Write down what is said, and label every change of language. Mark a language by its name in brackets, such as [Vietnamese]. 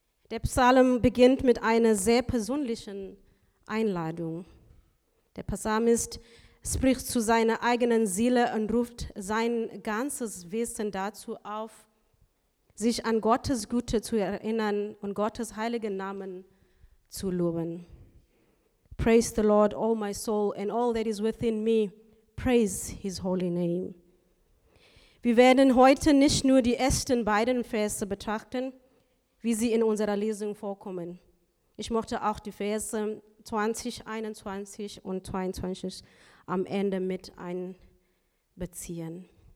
[German] Der Psalm beginnt mit einer sehr persönlichen Einladung. Der Psalmist spricht zu seiner eigenen Seele und ruft sein ganzes Wesen dazu auf, sich an Gottes Güte zu erinnern und Gottes heiligen Namen zu loben. [English] Praise the Lord, all my soul, and all that is within me, praise his holy name. [German] Wir werden heute nicht nur die ersten beiden Verse betrachten, wie sie in unserer Lesung vorkommen. Ich möchte auch die Verse 20, 21 und 22 am Ende mit einbeziehen.